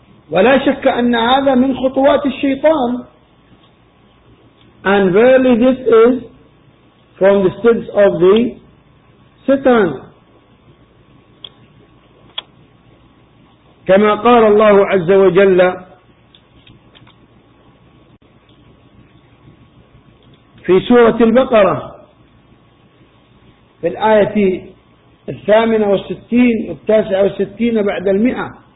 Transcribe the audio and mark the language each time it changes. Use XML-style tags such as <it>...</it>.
<ar>ولا شك أن هذا من خطوات الشيطان.</ar> <en>And verily this is from the steps of the Satan.</en> <ar>كما قال الله عز وجل في سورة البقرة في الآية 68 69 بعد 100</ar>